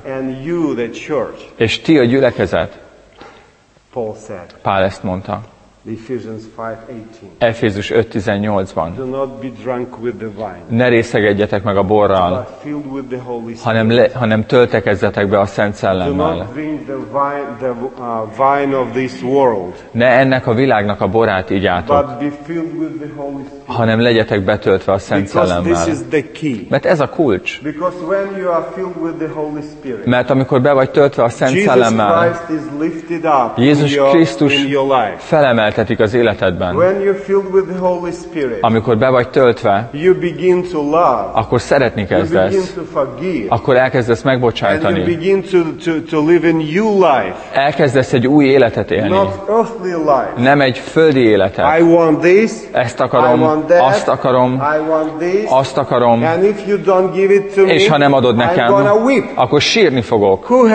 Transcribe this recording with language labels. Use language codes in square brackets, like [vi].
[en] And you, the church. [hu] És ti a gyülekezet. [en] Paul said. [hu] Pál ezt mondta. [en] Ephesians 5:18. [hu] Efézus 5:18-ban. [en] Do not be drunk with the wine. [hu] Ne részegedjetek meg a borral. [en] But filled with the Holy Spirit. [hu] Hanem töltekezzetek be a Szent Szellemmel. [en] Do not drink the wine of this world. [hu] Ne ennek a világnak a borát igyátok. [en] But be filled with the Holy Spirit. [hu] Hanem legyetek betöltve a Szent Szellemmel. [en] This is the key. [hu] Mert ez a kulcs. [en] Because when you are filled with the Holy Spirit. [hu] Mert amikor be vagy töltve a Szent Szellemmel. [en] Jesus Christ is lifted up. [hu] Jézus Krisztus felemeltetik az életedben. [en] When you're filled with the Holy Spirit. [hu] Amikor be vagy töltve. [en] You begin to love. [hu] Akkor szeretni kezdesz. [en] You begin to forgive. [hu] Akkor elkezdesz megbocsátani. [en] And you begin to live a new life. [hu] Elkezdesz egy új életet élni. [en] Not earthly life. [hu] Nem egy földi életet. [en] I want this. [hu] Ezt akarom. Azt akarom, azt akarom, és ha nem adod nekem, akkor sírni fogok.